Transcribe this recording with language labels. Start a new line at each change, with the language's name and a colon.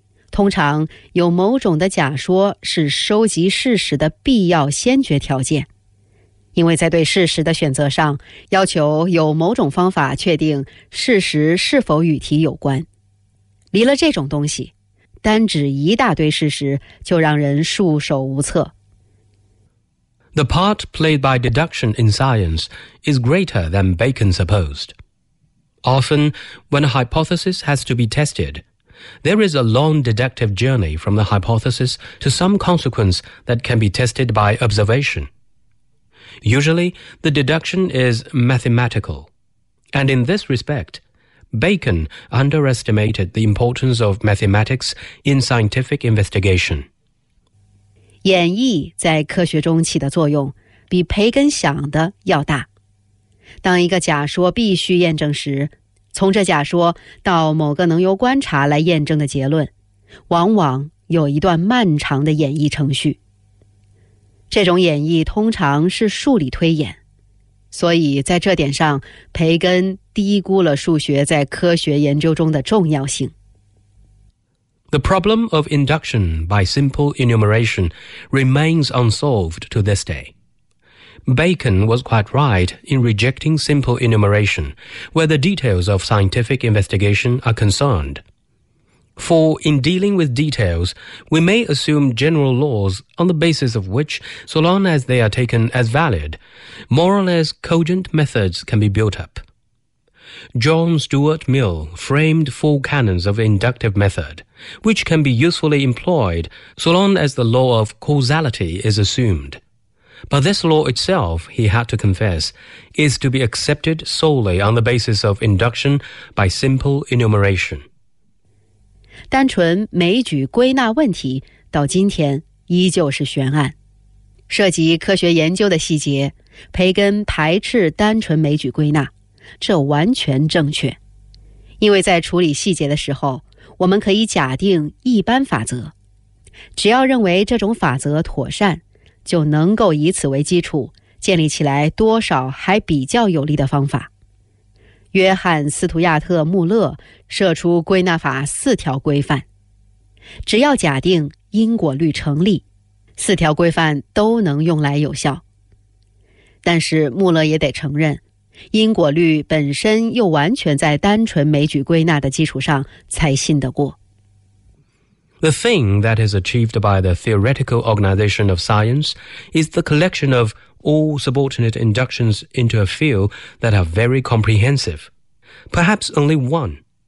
Chinese: 通常有某种的假说是收集事实的必要先决条件，因为在对事实的选择上，要求有某种方法确定事实是否与题有关。离了这种东西，单指一大堆事实就让人束手无策。
English: The part played by deduction in science is greater than Bacon supposed. Often, when a hypothesis has to be tested, there is a long deductive journey from the hypothesis to some consequence that can be tested by observation. Usually, the deduction is mathematical. And in this respect, Bacon underestimated the importance of mathematics in scientific investigation.
Chinese: 演绎在科学中起的作用比培根想的要大。当一个假说必须验证时，从这假说到某个能由观察来验证的结论，往往有一段漫长的演绎程序。这种演绎通常是数理推演，所以在这点上，培根低估了数学在科学研究中的重要性。
English: The problem of induction by simple enumeration remains unsolved to this day. Bacon was quite right in rejecting simple enumeration where the details of scientific investigation are concerned. For in dealing with details, we may assume general laws on the basis of which, so long as they are taken as valid, more or less cogent methods can be built up. John Stuart Mill framed four canons of inductive method, which can be usefully employed so long as the law of causality is assumed. But this law itself, he had to confess, is to be accepted solely on the basis of induction by simple enumeration.
Chinese: 单纯枚举归纳问题到今天依旧是悬案。涉及科学研究的细节，培根排斥单纯枚举归纳，这完全正确。因为在处理细节的时候，我们可以假定一般法则，只要认为这种法则妥善，就能够以此为基础建立起来多少还比较有利的方法。约翰·斯图亚特·穆勒设出归纳法四条规范，只要假定因果律成立，四条规范都能用来有效。但是穆勒也得承认，因果律本身又完全在单纯枚举归纳的基础上才信得过。
English: The thing that is achieved by the theoretical organization of science is the collection of all subordinate inductions into a field that are very comprehensive, perhaps only one.